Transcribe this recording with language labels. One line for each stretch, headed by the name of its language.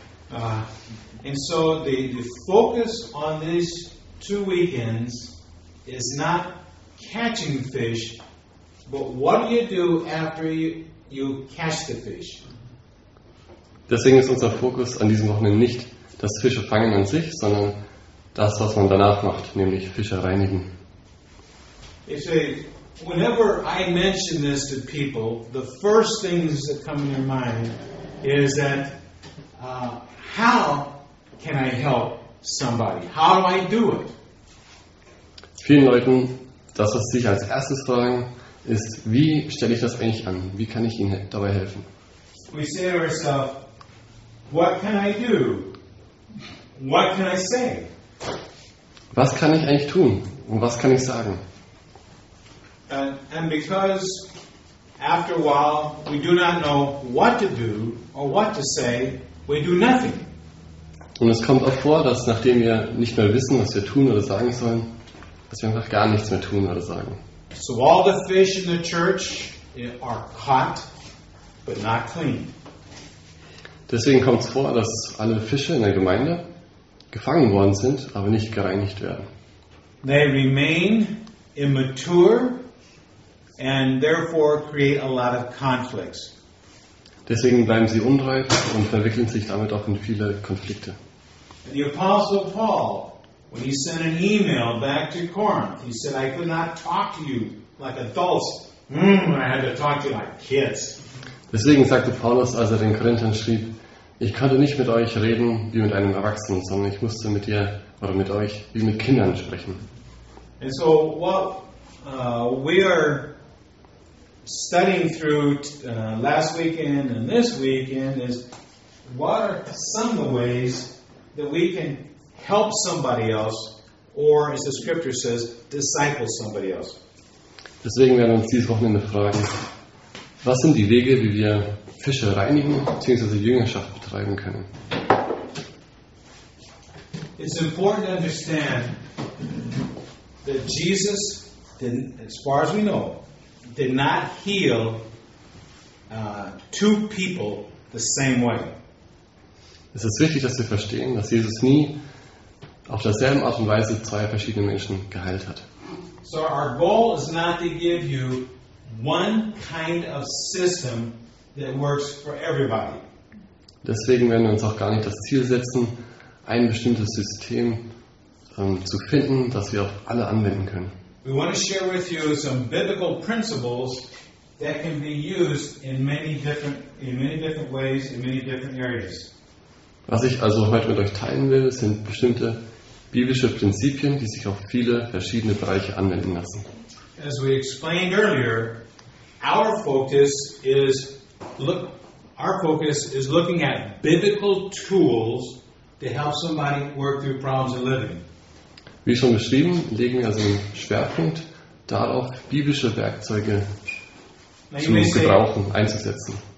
English: And so the focus on these two weekends is not catching fish, but what do you do after you catch the fish?
German: Deswegen ist unser Fokus an diesem Wochenende nicht das Fische fangen an sich, sondern das, was man danach macht, nämlich Fische reinigen.
English: You see, whenever I mention this to people, the first things that come in your mind is that how can I help somebody? How do I do it?
German: Vielen Leuten, das, was sie als erstes fragen, ist, wie stelle ich das eigentlich an? Wie kann ich ihnen dabei helfen?
English: We say to ourselves, what can I do? What can I say?
German: Was kann ich eigentlich tun? Und was kann ich sagen?
English: And because after a while we do not know what to do or what to say, we do nothing.
German: Und es kommt auch vor, dass nachdem wir nicht mehr wissen, was wir tun oder sagen sollen, dass wir einfach gar nichts mehr tun oder sagen.
English: So all the fish in the church are caught, but not cleaned.
German: Deswegen kommt es vor, dass alle Fische in der Gemeinde gefangen worden sind, aber nicht gereinigt werden.
English: They remain immature and therefore create a lot of conflicts.
German: Deswegen bleiben sie unreif und verwickeln sich damit auch in viele Konflikte.
English: The Apostle Paul, when he sent an email back to Corinth, he said, I could not talk to you like adults. I had to talk to you like kids.
German: Deswegen sagte Paulus, als er den Korinthern schrieb, ich konnte nicht mit euch reden wie mit einem Erwachsenen, sondern ich musste mit dir oder mit euch wie mit Kindern sprechen.
English: And so what we are studying through last weekend and this weekend is, what are some of the ways that we can help somebody else, or as the scripture says, disciple somebody else?
German: Deswegen werden wir uns dieses Wochenende fragen, was sind die Wege, wie wir Fische reinigen bzw. Jüngerschaft betreiben können?
English: It's important to understand that Jesus, as far as we know, did not heal two people the same way.
German: Es ist wichtig, dass wir verstehen, dass Jesus nie auf derselben Art und Weise zwei verschiedene Menschen geheilt hat.
English: So our goal is not to give you one kind of system that works for everybody.
German: Deswegen werden wir uns auch gar nicht das Ziel setzen, ein bestimmtes System zu finden, das wir auf alle anwenden können.
English: We want to share with you some biblical principles that can be used in many different ways in many different areas.
German: Was ich also heute mit euch teilen will, sind bestimmte biblische Prinzipien, die sich auf viele verschiedene Bereiche anwenden lassen.
English: As we explained earlier, our focus is looking at biblical tools to help somebody work through problems in living.
German: Wie schon beschrieben, legen wir also einen Schwerpunkt darauf, biblische Werkzeuge zu gebrauchen, einzusetzen.